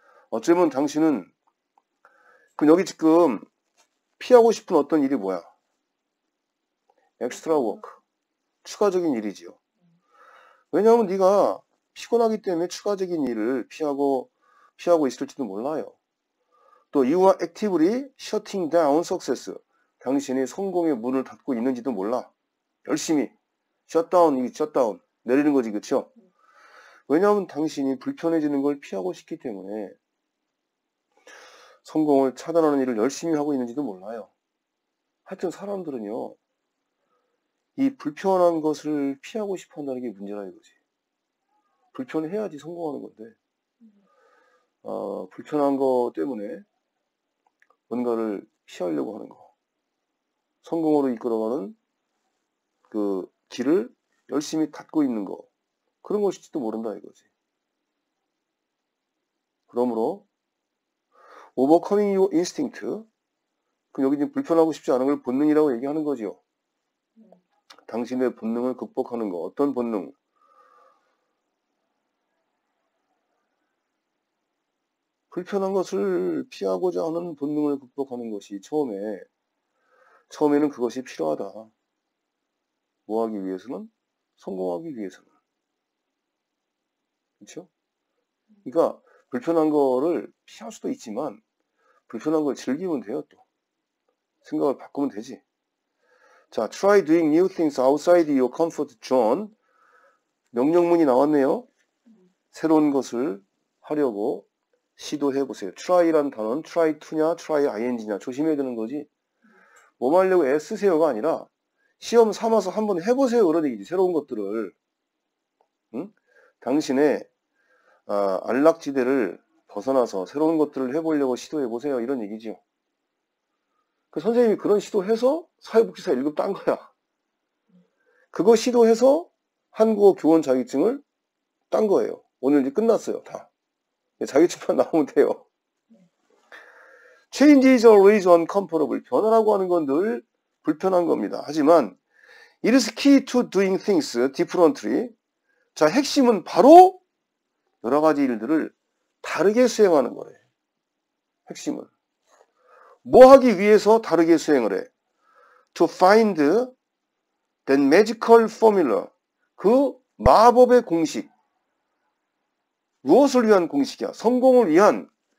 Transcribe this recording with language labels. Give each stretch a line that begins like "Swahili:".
Korean: 어쩌면 당신은 그럼 여기 지금 피하고 싶은 어떤 일이 뭐야? extra work, 추가적인 일이지요. 왜냐하면 네가 피곤하기 때문에 추가적인 일을 피하고 있을지도 몰라요.
English: 또 you are actively shutting down success.
Korean: 당신이 성공의 문을 닫고 있는지도 몰라. 열심히 shutdown, shutdown 내리는 거지, 그렇죠? 왜냐하면 당신이 불편해지는 걸 피하고 싶기 때문에 성공을 차단하는 일을 열심히 하고 있는지도 몰라요. 하여튼 사람들은요, 이 불편한 것을 피하고 싶어 한다는 게 문제라 이거지. 불편해야지 성공하는 건데, 불편한 것 때문에 뭔가를 피하려고 하는 거. 성공으로 이끌어가는 그 길을 열심히 닫고 있는 거. 그런 것일지도 모른다 이거지.
English: 그러므로, overcoming your instinct.
Korean: 그럼 여기 지금 불편하고 싶지 않은 걸 본능이라고 얘기하는 거지요. 당신의 본능을 극복하는 거. 어떤 본능? 불편한 것을 피하고자 하는 본능을 극복하는 것이 처음에는 그것이 필요하다. 뭐 하기 위해서는? 성공하기 위해서는. 그렇죠? 그러니까 불편한 거를 피할 수도 있지만 불편한 걸 즐기면 돼요, 또. 생각을 바꾸면 되지.
English: 자, try doing new things outside your comfort zone.
Korean: 명령문이 나왔네요. 새로운 것을 하려고 시도해 보세요. try라는 단어는 try to냐, try ing냐. 조심해야 되는 거지. 뭐 하려고 애쓰세요가 아니라 시험 삼아서 한번 해보세요. 그런 얘기지. 새로운 것들을. 응? 당신의 안락지대를 벗어나서 새로운 것들을 해보려고 시도해 보세요. 이런 얘기지요. 그 선생님이 그런 시도해서 사회복지사 1급 딴 거야. 그거 시도해서 한국어 교원 자격증을 딴 거예요. 오늘 이제 끝났어요. 다. 자격증만 나오면 돼요.
English: Change is always uncomfortable.
Korean: 변화라고 하는 건 늘 불편한 겁니다.
English: 하지만 It is key to doing things differently.
Korean: 자, 핵심은 바로 여러 가지 일들을 다르게 수행하는 거래. 핵심은. 뭐 하기 위해서 다르게 수행을 해?
English: To find the magical formula.
Korean: 그 마법의 공식. 무엇을 위한 공식이야? 성공을 위한.